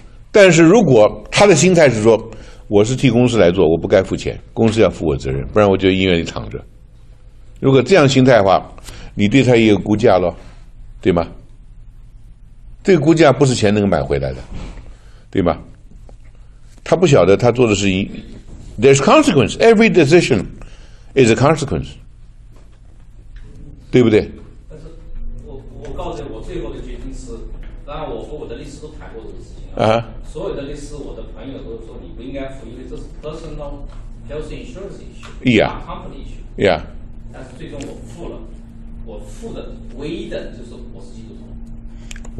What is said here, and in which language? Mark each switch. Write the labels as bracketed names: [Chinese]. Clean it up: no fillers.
[Chinese] 但是如果他的心态是说，我是替公司来做，我不该付钱，公司要负我责任，不然我就医院里躺着。如果这样心态的话，你对他也有估价咯，对吗？这个估价不是钱能买回来的，对吗？他不晓得他做的事情 [English] There's consequence. Every decision is a consequence. [Chinese] 对不对？所有的律师，我的朋友都说你不应该付，因为这是 [English] personal health insurance issue， yeah， company issue， yeah。 [Chinese] 但是最终我付了，我付的唯一的就是我是基督徒。